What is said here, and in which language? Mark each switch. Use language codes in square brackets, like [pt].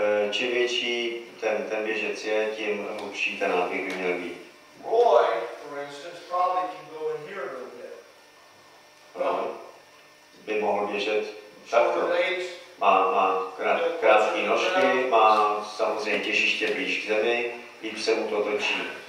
[cs] Čím větší ten běžec je, tím hlubší ten nábíh by měl být. [en] Roy, for instance, probably can go in here a little bit. [cs] By mohl běžet takto. Má krátké nožky, má samozřejmě těžiště blíž k zemi, líp se mu to točí.